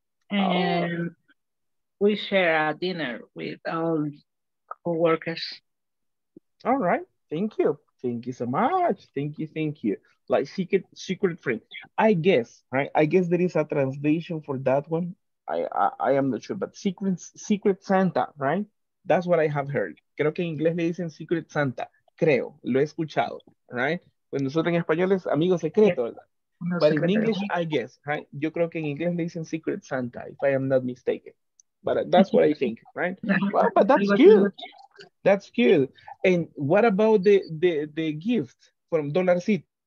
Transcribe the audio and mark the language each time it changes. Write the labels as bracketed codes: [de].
[en] And we share a dinner with all co-workers. All right. Thank you. Thank you so much. Thank you. Thank you. Like secret friend. I guess, right? I guess there is a translation for that one. I am not sure, but secret Santa, right? That's what I have heard. [es] Creo que en inglés le dicen secret Santa. Creo. Lo he escuchado, right? Pues nosotros en español es amigo secreto, ¿verdad? [en] No, but secreto. In English, I guess, right? [es] Yo creo que en inglés le dicen secret Santa, [en] if I am not mistaken. But that's what I think, right? Well, but that's cute. That's cute. And what about the gift from Dollar City?